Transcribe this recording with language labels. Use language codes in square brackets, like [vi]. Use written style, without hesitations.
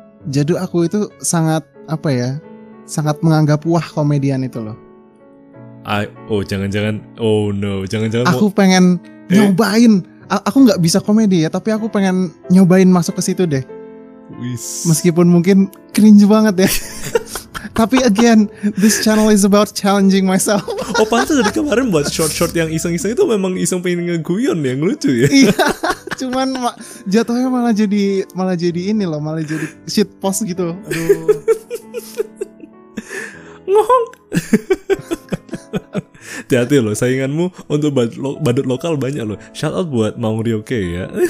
[id] Jadi aku itu sangat apa ya, sangat menganggap wah komedian itu loh. Jangan-jangan aku pengen nyobain. Aku nggak bisa komedi ya, tapi aku pengen nyobain masuk ke situ deh. Meskipun mungkin cringe banget ya. Tapi [en] again, this channel is about challenging myself. [id] Oh, pantas dari kemarin buat short-short yang iseng-iseng itu memang iseng pengen ngeguyon ya, ngelucu ya. Iya, cuman jatuhnya malah jadi ini loh, malah jadi shit post gitu. Aduh. Ngong. Hati-hati loh, sainganmu untuk badut lokal banyak loh. Shout out buat Mang Ryoke ya.